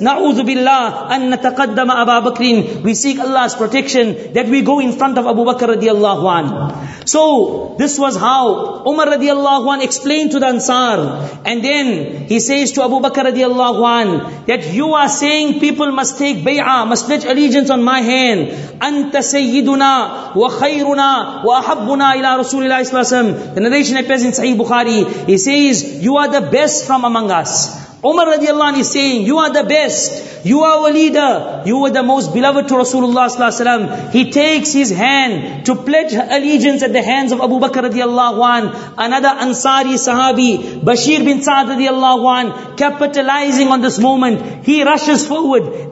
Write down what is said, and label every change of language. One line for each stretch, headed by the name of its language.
Arabic: نَعُوذُ بِاللَّهِ أَن نَتَقَدَّمَ أَبَا بَكْرٍ.
English: We seek Allah's protection that we go in front of Abu Bakr radiallahu an. So this was how Umar radiallahu an explained to the Ansar. And then he says to Abu Bakr radiallahu an, that you are saying people must take bay'ah, must pledge allegiance on my hand.
Arabic: أَنْتَ سَيِّدُنَا وَخَيْرُنَا وَأَحَبُّنَا إِلَىٰ رَسُولِ اللَّهِ صَلَّى اللَّهُ عَلَيْهِ وَسَلَّمَ.
English: The narration appears in Sahih Bukhari. He says, you are the best from among us. Umar radiallahu anhu is saying, you are the best. You are our leader. You were the most beloved to Rasulullah sallallahu alaihi wasallam. He takes his hand to pledge allegiance at the hands of Abu Bakr radiallahu anhu. Another Ansari Sahabi, Bashir bin Sa'd radiallahu anhu, capitalizing on this moment, he rushes forward.